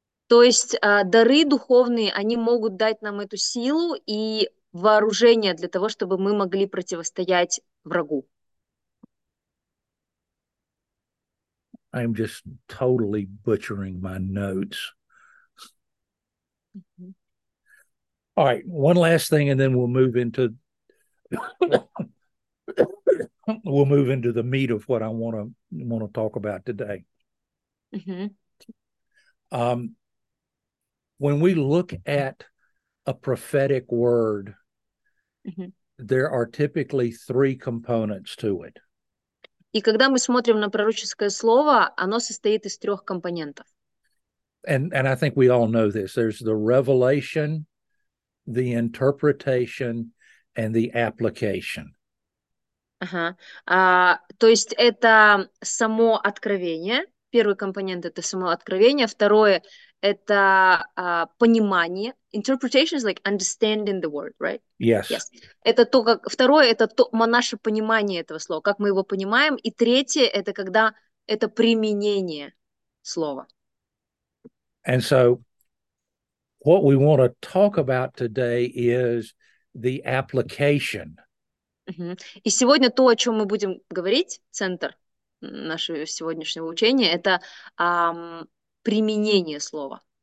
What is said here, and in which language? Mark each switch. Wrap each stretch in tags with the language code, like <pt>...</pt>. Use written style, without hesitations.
<ru>То есть дары духовные, они могут дать нам эту силу и вооружение для того, чтобы мы могли противостоять врагу.</ru> <en>I'm just totally butchering my notes. All right, one last thing and then we'll move into we'll move into the meat of what I want to talk about today. When we look at a prophetic word, there are typically three components to it.</en> <ru>И когда мы смотрим на пророческое слово, оно состоит из трех компонентов.</ru> <en>And I think we all know this. There's the revelation, the interpretation, and the application.</en> <ru>То есть это само откровение. Первый компонент – это само откровение. Второе – это понимание.</ru> <en>Interpretation is like understanding the word, right? Yes.</en> <ru>Yes. Это то, как... Второе – это то, наше понимание этого слова, как мы его понимаем. И третье – это когда это применение слова.</ru> <en>And so what we want to talk about today is the application.</en> <ru>И сегодня то, о чем мы будем говорить, центр нашего сегодняшнего учения, это применение слова.</ru>